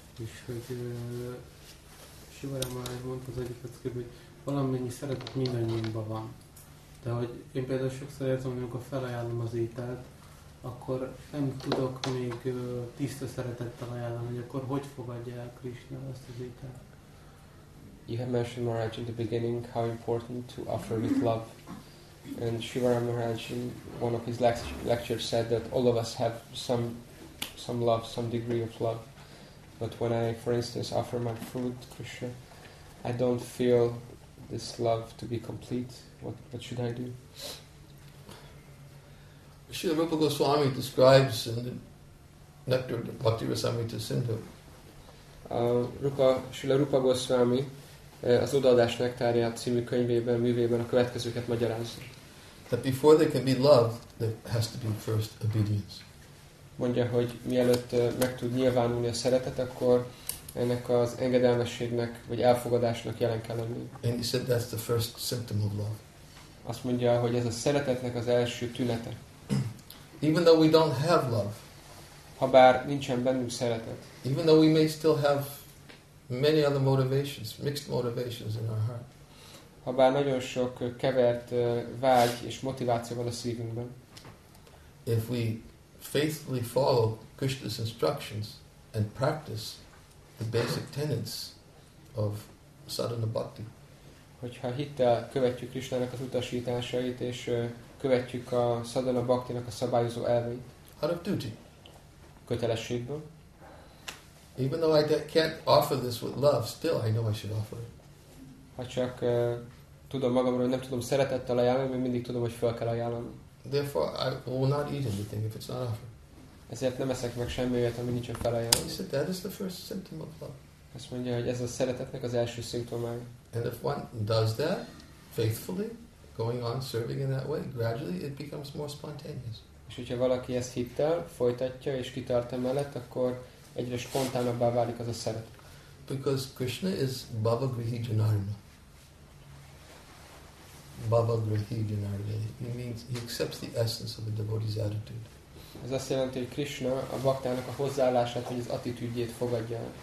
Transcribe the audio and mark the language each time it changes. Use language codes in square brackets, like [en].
[hu] És hogy Sivara már mondta az egyik eszkébe, hogy valamennyi szeretet mindannyiunkban van. De hogy én például sokszor érzem, hogy amikor felajánlom az ételt, akkor nem tudok még tiszta szeretettel ajánlani, hogy akkor hogy fogadja el Krishna ezt az ételt. [en] You have mentioned, Maharaj, in the beginning how important to offer with love. And Shivara Maharaj, in one of his lectures, said that all of us have some love, some degree of love. But when I, for instance, offer my food to Krishna, I don't feel this love to be complete. What should I do? Srila Rupa Goswami describes in the Nectar of Bhakti Rasamrita Sindhu. [hu] Srila Rupa Goswami az Odaadás Nektárját című könyvében, művében a következőket magyarázza. [en] That before there can be love, there has to be first obedience. [hu] Mondja, hogy mielőtt meg tud nyilvánulni a szeretet, akkor ennek az engedelmességnek vagy elfogadásnak jelen kell lenni. [en] And he said that's the first symptom of love. [hu] Azt mondja, hogy ez a szeretetnek az első tünete. [en] Even though we don't have love. [hu] Habár nincsen bennünk szeretet. [en] Even though we may still have many other motivations, mixed motivations in our heart. [hu] Habár nagyon sok kevert vágy és motiváció van a szívünkben. [en] If we faithfully follow Krishna's instructions and practice the basic tenets of sadhana bhakti. [hu] Hogyha hittel követjük Krishnának az utasításait és követjük a sadhana bhaktinak a szabályozó elveit. [en] Out of duty. [hu] Kötelességből. [en] Even though I can't offer this with love, still I know I should offer it. [hu] Ha csak tudom magamról, hogy nem tudom szeretettel ajánlani, mert mindig tudom, hogy fel kell ajánlani. [en] Therefore, I will not eat anything if it's not offered. [hu] Ezért nem eszek meg semmi olyat, ami nincsen felajánlani. [en] He said that is the first symptom of love. [hu] Azt mondja, hogy ez a szeretetnek az első szimptomája. [en] And if one does that faithfully, going on serving in that way, gradually it becomes more spontaneous. [hu] És hogyha valaki ezt hittel, folytatja és kitart emellett, akkor egyre spontánabbá válik az a szeret. [en] Because Krishna is Bhava Grihi Janardana. [sa] Bhava Grihi Janardana. [en] He means he accepts the essence of a devotee's attitude. [hu] Ez azt jelenti, hogy Krishna a baktának a hozzáállását, vagy az attitűdjét fogadja.